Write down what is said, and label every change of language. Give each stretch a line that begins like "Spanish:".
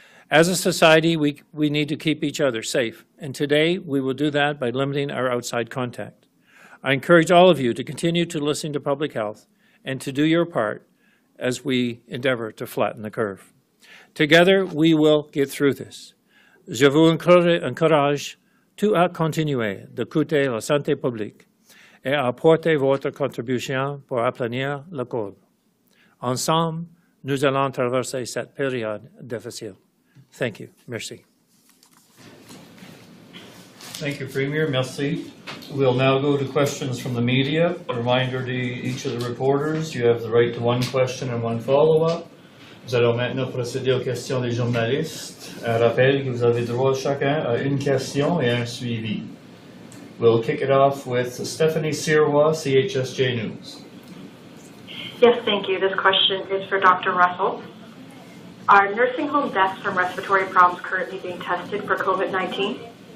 English: As a society, we need to keep each other safe, and today we will do that by limiting our outside contact. I encourage all of you to continue to listen to public health and to do your part as we endeavor to flatten the curve. Together, we will get through this.
French: Je vous encourage tout à continuer d'écouter la santé publique et à apporter votre contribution pour aplanir la courbe. Ensemble, nous allons traverser cette période difficile.
English: Thank you.
French: Merci.
English: Thank you, Premier.
French: Merci.
English: We'll now go to questions from the media. A reminder to each of the reporters, you have the right to one question and one follow-up.
French: Nous allons maintenant procéder aux questions des journalistes. Un rappel que vous avez droit chacun à une question et un suivi.
English: We'll kick it off with Stephanie Sirwa, CHSJ News. Yes, thank you. This question is for Dr. Russell. Are nursing home deaths from respiratory problems currently being tested for COVID-19?